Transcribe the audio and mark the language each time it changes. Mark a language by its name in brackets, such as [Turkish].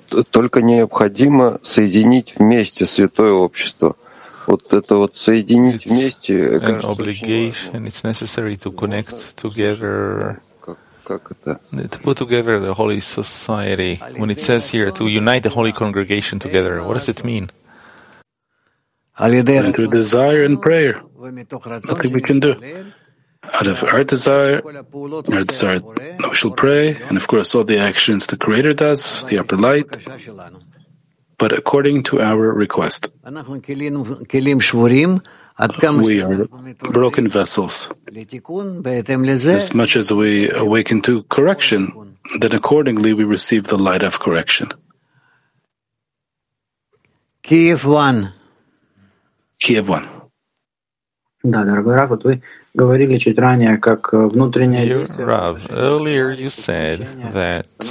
[Russian] Только необходимо соединить вместе святое общество. Вот это вот соединить вместе. [English] It's an obligation. It's necessary to connect together. To put together the holy society. When it says here to unite the holy congregation together, what does it mean? To desire and prayer. Nothing we can do. Out of our desire that we shall pray, and of course all the actions the Creator does, the upper light, but according to our request. We are broken vessels. As much as we awaken to correction, then accordingly we receive the light of correction. Kiev 1. Kiev 1. [Russian] Да, дорогой Рав, вот вы говорили чуть ранее, как внутреннее действие. [English] Rav, earlier you said that